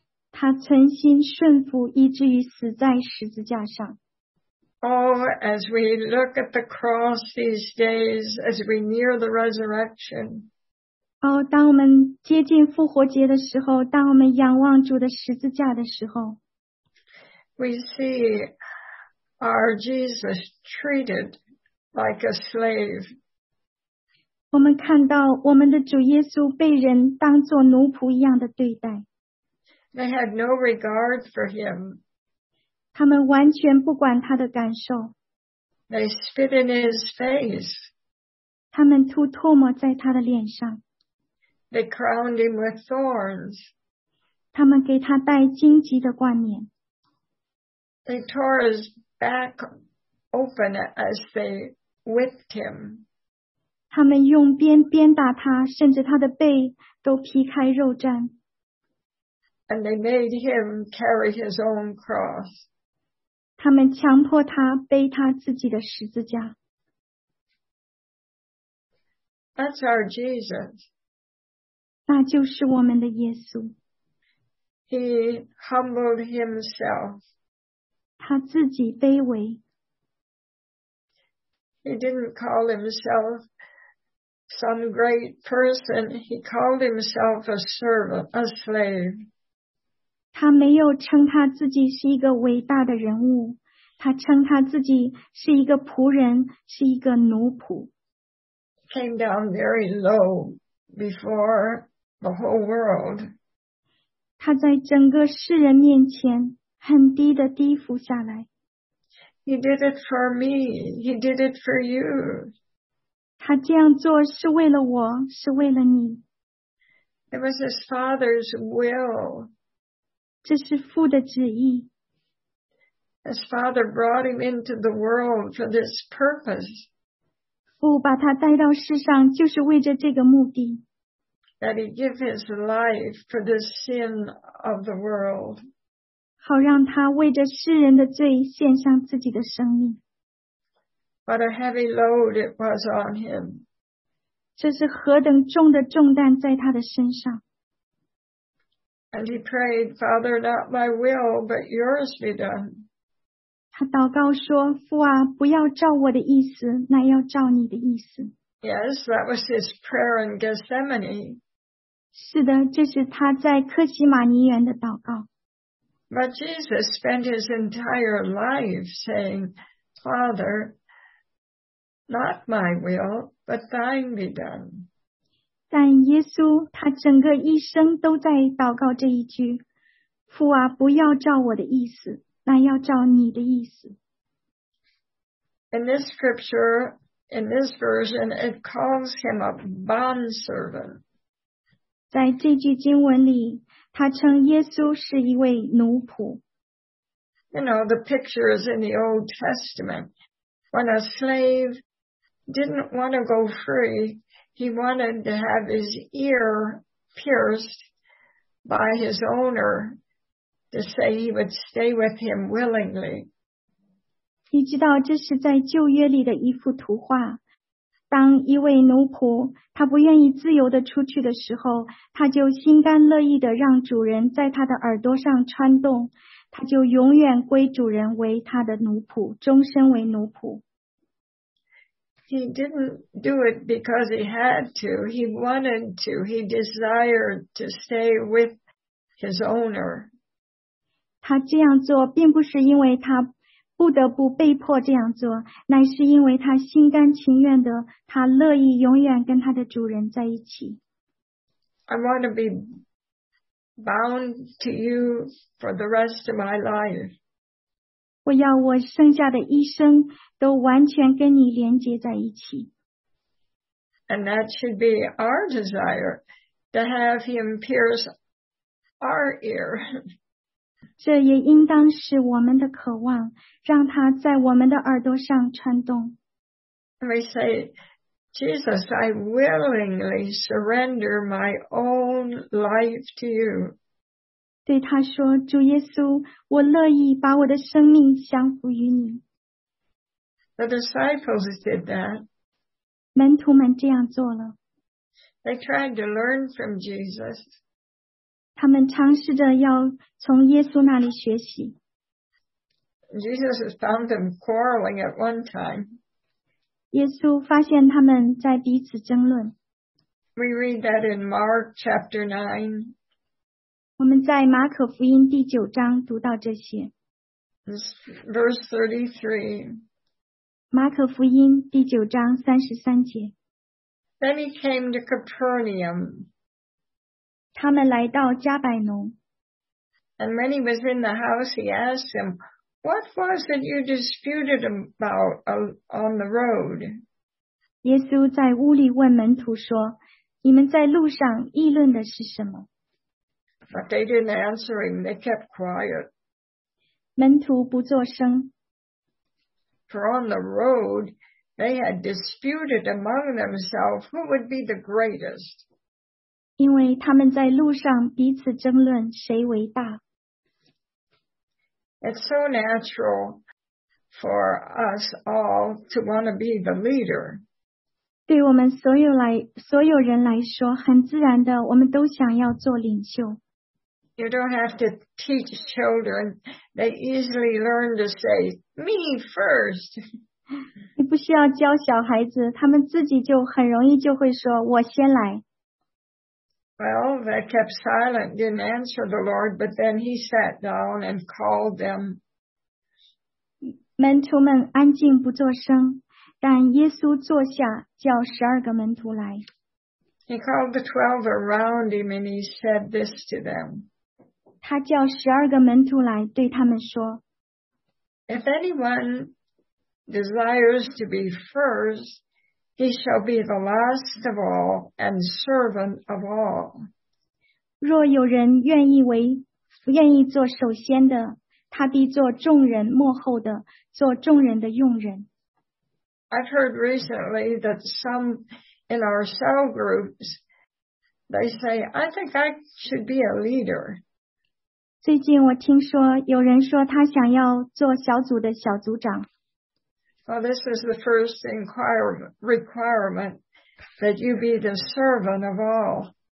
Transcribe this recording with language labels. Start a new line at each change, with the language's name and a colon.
Chinese: 他存心顺服，以至于死在十字架上。
English: Oh, as we look at the cross these days, as we near the resurrection.
Chinese: 哦，当我们接近复活节的时候，当我们仰望主的十字架的时候，
English: we see our Jesus treated like a slave.
Chinese: 我们看到我们的主耶稣被人当作奴仆一样的对待。
English: They had no regard for him.
Chinese: 他们完全不管他的感受。
English: They spit in his face.
Chinese: 他们吐唾沫在他的脸上。
English: They crowned him with thorns.
Chinese: 他们给他戴荆棘的冠冕。
English: They tore his back open as they whipped him.
Chinese: 他们用鞭鞭打他，甚至他的背都劈开肉绽。
English: And they made him carry his own cross.
Chinese: 他们强迫他背他自己的十字架。
English: That's our Jesus.
Chinese: 那就是我们的耶稣。
English: He humbled himself.
Chinese: 他自己卑微。
English: He didn't call himself some great person. He called himself a servant, a slave.
Chinese: 他没有称他自己是一个伟大的人物，他称他自己是一个仆人，是一个奴仆。
English: Came down very low before the whole world.
Chinese: 他在整个世人面前很低的低伏下来。
English: He did it for me. He did it for you.
Chinese: 他这样做是为了我，是为了你。
English: It was his father's will.
Chinese: 这是父的旨意。
English: His father brought him into the world for this purpose.
Chinese: 父把他带到世上就是为着这个目的。
English: That he give his life for the sin of the world.
Chinese: 好让他为着世人的罪献上自己的生命。
English: What a heavy load it was on him.
Chinese: 这是何等重的重担在他的身上。
English: And he prayed, Father, not my will, but yours be done.
Chinese: 他祷告说，父啊，不要照我的意思，乃要照你的意思。
English: Yes, that was his prayer in Gethsemane.
Chinese: 是的，这是他在克西马尼园的祷告。
English: But Jesus spent his entire life saying, Father, not my will, but thine be done.
Chinese: 但耶稣他整个一生都在祷告这一句，父啊，不要照我的意思。乃要照你的意思。
English: In this scripture, in this version, it calls him a bondservant.
Chinese: 在这句经文里，他称耶稣是一位奴仆。
English: You know, the picture is in the Old Testament. When a slave didn't want to go free, he wanted to have his ear pierced by his owner. To say he would stay with him willingly.
Chinese: 你知道这是在旧约里的一幅图画。当一位奴仆他不愿意自由地出去的时候，他就心甘乐意地让主人在他的耳朵上穿洞，他就永远归主人为他的奴仆，终身为奴仆。
English: He didn't do it because he had to. He wanted to. He desired to stay with his owner.
Chinese: 他这样做并不是因为他不得不被迫这样做，乃是因为他心甘情愿的，他乐意永远跟他的主人在一起。
English: I want to be bound to you for the rest of my life.
Chinese: 我要我剩下的一生都完全跟你连接在一起。
English: And that should be our desire to have him pierce our ear.
Chinese: 这也应当是我们的渴望，让他在我们的耳朵上穿洞。
English: We say, Jesus, I willingly surrender my own life to you.
Chinese: 对他说，主耶稣，我乐意把我的生命降服于你。
English: The disciples did that.
Chinese: 门徒们这样做了。
English: They tried to learn from Jesus.
Chinese: 他们尝试着要从耶稣那里学习。
English: Jesus found them quarreling at one time.
Chinese: 耶稣发现他们在彼此争论。
English: We read that in Mark chapter 9.
Chinese: 我们在马可福音第九章读到这些。
English: Verse 33.
Chinese: 马可福音第九章三十三节。
English: Then he came to Capernaum.
Chinese: 他们来到加百农。
English: And when he was in the house, he asked him, What was it you disputed about on the road?
Chinese: 耶稣在屋里问门徒说, 你们在路上议论的是什么？
English: But they didn't answer him. They kept quiet.
Chinese: 门徒不作声。
English: For on the road, they had disputed among themselves who would be the greatest.
Chinese: 因为他们在路上彼此争论谁为大。
English: It's so natural for us all to want to be the leader.
Chinese: 对我们所有人来说，很自然的，我们都想要做领袖。
English: You don't have to teach children. They easily learn to say, me first.
Chinese: 你不需要教小孩子，他们自己就很容易就会说，我先来。
English: Well, they kept silent, didn't answer the Lord, but then he sat down and called them.
Chinese: 门徒们安静不作声，但耶稣坐下，叫十二个门徒来。
English: He called the 12 around him and he said this to them.
Chinese: 他叫十二个门徒来，对他们说。
English: If anyone desires to be first,He shall be the last of all and servant of all.
Chinese: 若有人愿意做首先的，他必做众人幕后的，做众人的用人。
English: I've heard recently that some in our cell groups, they say, I think I should be a leader.
Chinese: 最近我听说有人说他想要做小组的小组长。
English: Well, this is the first requirement that you be the servant of all.